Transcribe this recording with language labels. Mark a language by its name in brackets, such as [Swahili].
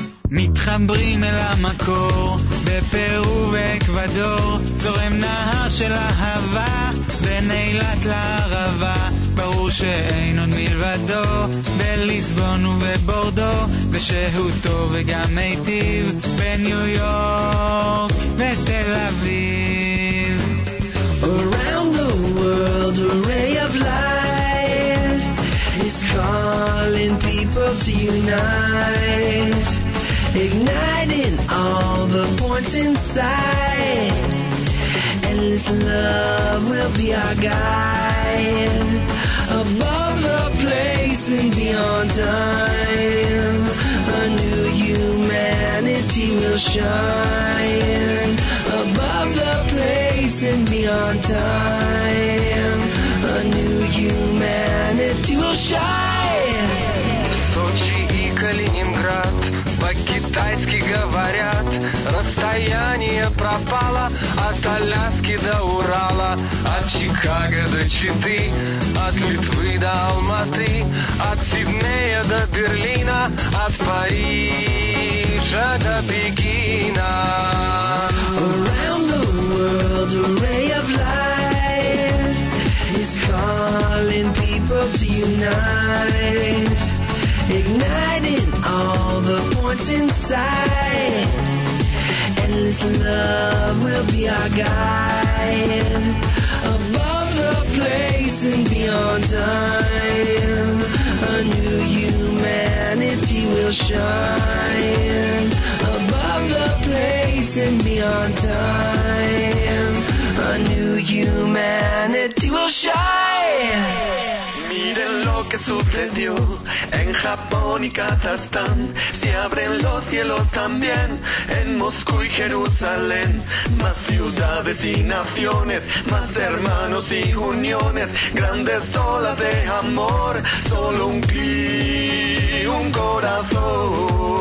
[Hebrew] מתחברים אל המקור בפרו ואקוודור, צורם נהר של אהבה בין אילת לערבה, ברור שאין עוד מלבדו בליסבון ובבורדו, ושהוא טוב וגם מיטיב בניו יורק ותל אביב. [English] Around the world a ray of light is calling people to unite, igniting all the points inside, endless love will be our guide, above the place and beyond time, a new humanity will shine, above the place and beyond time, a new humanity will shine. [Russian] Sochi и Калининград по-китайски говорят, расстояние пропало от Аляски до Урала, от Чикаго до Читы, от Литвы до Алматы, от Сиднея до Берлина, от Парижа до Пекина. [English] Around the world a ray of light is calling people to unite, igniting all the points inside, endless love will be our guide, above the place and beyond time, a new humanity will shine, above the place and beyond time, a new humanity will shine. [Spanish] Miren lo que sucedió en Japón y Kazajstán, se abren los cielos también en Moscú y Jerusalén, más ciudades y naciones, más hermanos y uniones, grandes olas de amor, solo un clic, un corazón.